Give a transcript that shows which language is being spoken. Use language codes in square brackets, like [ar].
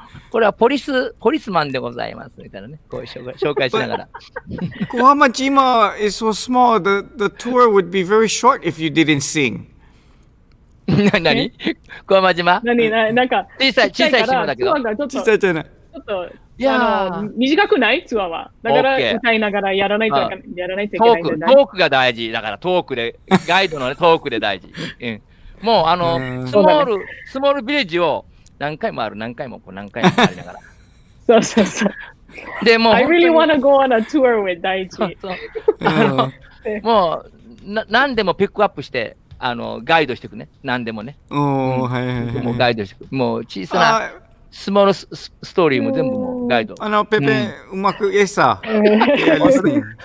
[ja] これはポリスマンでございますみたいなね、こういう紹介しながら。 [en] Kohama Jima is so small. The tour would be very short if you didn't sing. [ja] 何？Kohama Jima？何？なんか小さい島だけど。小さいじゃない。ちょっといや短くないツアーは。だから、okay. 歌いながらやらないといけないんで。トークが大事だから、トークでガイドの、ね、トークで大事。うん。もうスモールビレッジを何回もある、何回もこう何回も回りながら。そう。でも、 [en] I really wanna go on a tour with Daiichi. [ja] もう、何でもピックアップして、ガイドしていくね。何でもね。おー、うん、はいはいはい。もうガイドしていく。もう小さな、スモールストーリーも全部もうガイド。ペペ、うまく、イエッサー。